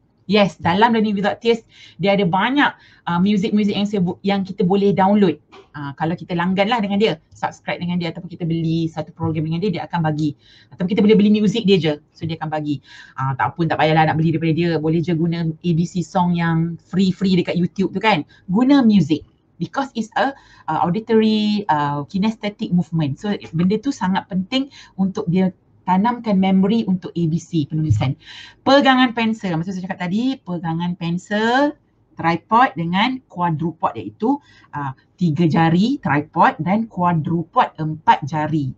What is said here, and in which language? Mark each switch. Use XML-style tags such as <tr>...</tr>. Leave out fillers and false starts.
<ms>Yes, dalam Learning Without Tears, dia ada banyak music-music yang kita boleh download. Kalau kita langgan lah dengan dia, subscribe dengan dia ataupun kita beli satu program dengan dia, dia akan bagi. Ataupun kita boleh beli music dia je, so dia akan bagi. Tak pun tak payahlah nak beli daripada dia, boleh je guna ABC song yang free-free dekat YouTube tu kan. Guna</ms> <en>music because it's a auditory kinesthetic movement.</en> <ms>So benda tu sangat penting untuk dia tanamkan memory untuk ABC penulisan. Pegangan pensel, macam saya cakap tadi, pegangan pensel, tripod dengan quadrupod iaitu 3 jari tripod dan quadrupod 4 jari.</ms>